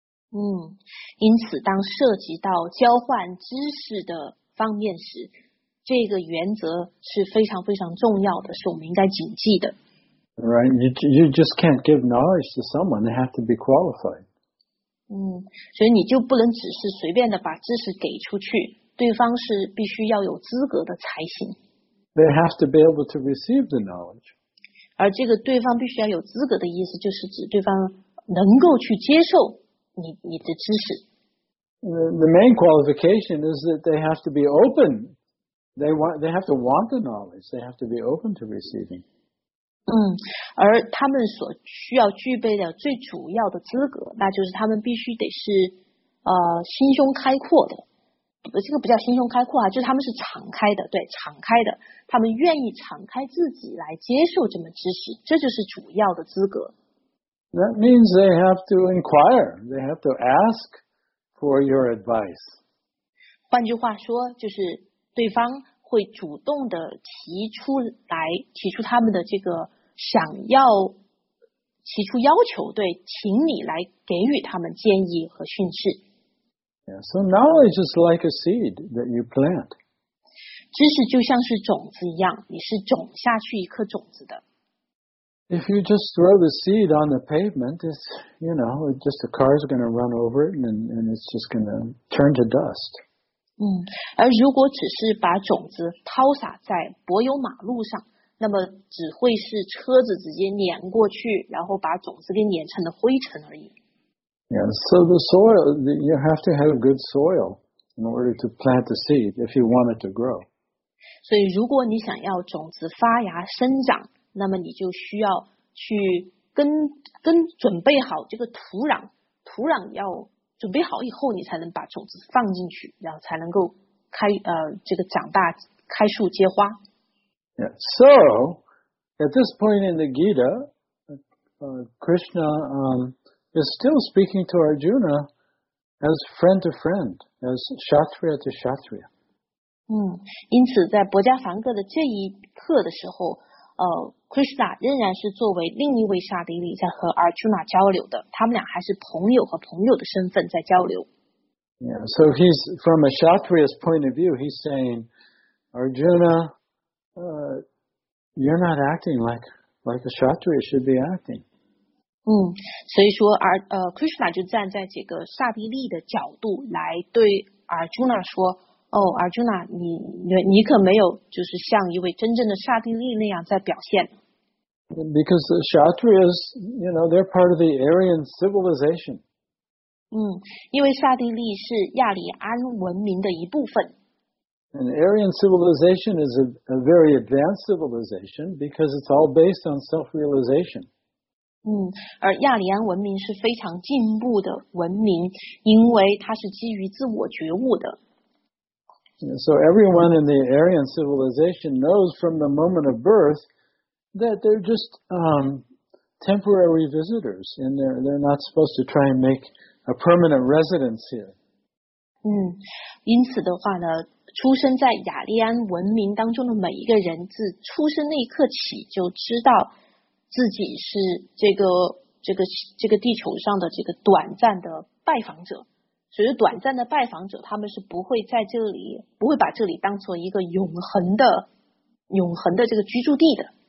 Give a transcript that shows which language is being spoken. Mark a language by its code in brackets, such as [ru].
[zh] 因此当涉及到交换知识的方面时，这个原则是非常非常重要的，是我们应该谨记的。 [en] Right, you just can't give knowledge to someone; they have to be qualified. [zh] 所以你就不能只是随便的把知识给出去，对方是必须要有资格的才行。 [en] They have to be able to receive the knowledge. [zh] 而这个对方必须要有资格的意思，就是指对方能够去接受你的知识。 [en] The main qualification is that they have to be open. They have to want the knowledge. They have to be open to receiving. [zh] 而他们所需要具备的最主要的资格，那就是他们必须得是心胸开阔的。这个不叫心胸开阔啊，就是他们是敞开的，对，敞开的。他们愿意敞开自己来接受这门知识，这就是主要的资格。 [en] That means they have to inquire. They have to ask for your advice. [zh] 换句话说，就是对方会主动的提出来，提出他们的这个想要提出要求，对，请你来给予他们建议和训斥。 [en] Yeah, so knowledge is like a seed that you plant. [zh] 知识就像是种子一样，你是种下去一颗种子的。 [en] If you just throw the seed on the pavement, it's, you know, just the car is going to run over it and it's just going to turn to dust. [zh] 而如果只是把种子抛洒在柏油马路上，那么只会是车子直接碾过去，然后把种子给碾成了灰尘而已。 [en] Yeah, so the soil, you have to have good soil in order to plant the seed if you want it to grow. [zh] 所以如果你想要种子发芽生长，那么你就需要去跟准备好这个土壤，土壤要准备好以后，你才能把种子放进去，然后才能够开这个长大，开树结花。 Yeah. [en] So at this point in the Gita, Krishna is still speaking to Arjuna as friend to friend, as kshatriya to kshatriya. [zh] 因此在薄伽梵歌的这一刻的时候。Krishna 仍然是作为另一位沙地利在和 Arjuna 交流的，他们俩还是朋友和朋友的身份在交流。 [en] Yeah, so he's from a Kshatriya's point of view, he's saying, Arjuna, you're not acting like a Kshatriya should be acting. [zh] 所以说Krishna 就站在这个沙地利的角度来对 Arjuna 说。 Arjuna, 你可没有就是像一位真正的刹帝利那样在表现。 [en] Because the Kshatriyas, you know, they're part of the Aryan civilization. [zh] 因为刹帝利是亚里安文明的一部分。 [en] And Aryan civilization is a very advanced civilization because it's all based on self-realization. [zh] 而亚里安文明是非常进步的文明，因为它是基于自我觉悟的。 [en] So everyone in the Aryan civilization knows from the moment of birth that they're just temporary visitors, and they're not supposed to try and make a permanent residence here. [zh] 因此的话呢，出生在雅利安文明当中的每一个人，自出生那一刻起就知道自己是这个地球上的这个短暂的拜访者。所以短暂的拜访者，他们是不会在这里，不会把这里当作一个永恒的这个居住地的。